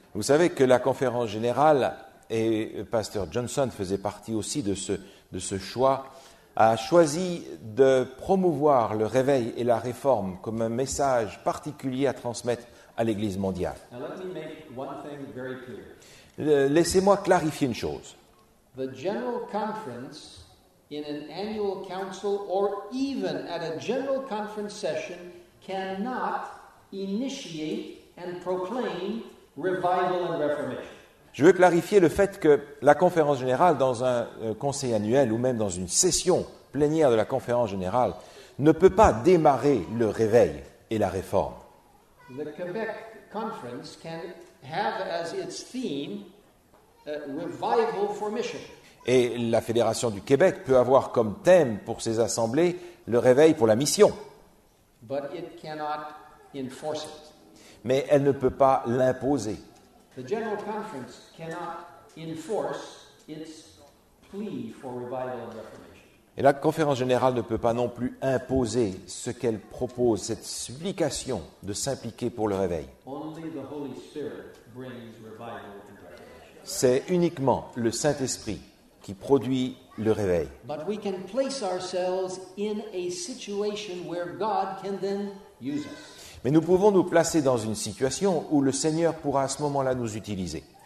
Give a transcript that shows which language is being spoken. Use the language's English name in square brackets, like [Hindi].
[French] Vous savez que la conférence générale, et Pasteur Johnson faisait partie aussi de ce choix, a choisi de promouvoir le réveil et la réforme comme un message particulier à transmettre à l'Église mondiale. [English] Now, let me make one thing very clear. [French] Laissez-moi clarifier une chose. [English] The General Conference, in an annual council, or even at a General Conference session, cannot initiate and proclaim revival and reformation. [French] Je veux clarifier le fait que la conférence générale, dans un conseil annuel ou même dans une session plénière de la conférence générale, ne peut pas démarrer le réveil et la réforme. [English] The Quebec Conference can have as its theme revival for mission. [French] Et la Fédération du Québec peut avoir comme thème pour ses assemblées le réveil pour la mission. [English] But it cannot enforce it. [French] Mais elle ne peut pas l'imposer. [English] The General Conference cannot enforce its plea for revival and reformation. [French] Et la conférence générale ne peut pas non plus imposer ce qu'elle propose, cette supplication de s'impliquer pour le réveil. [English] Only the Holy Spirit brings revival and reformation. [French] C'est uniquement le Saint-Esprit qui produit le réveil. [English] But we can place ourselves in a situation where God can then use us. [French] Mais nous pouvons nous placer dans une situation où le Seigneur pourra à ce moment-là nous utiliser.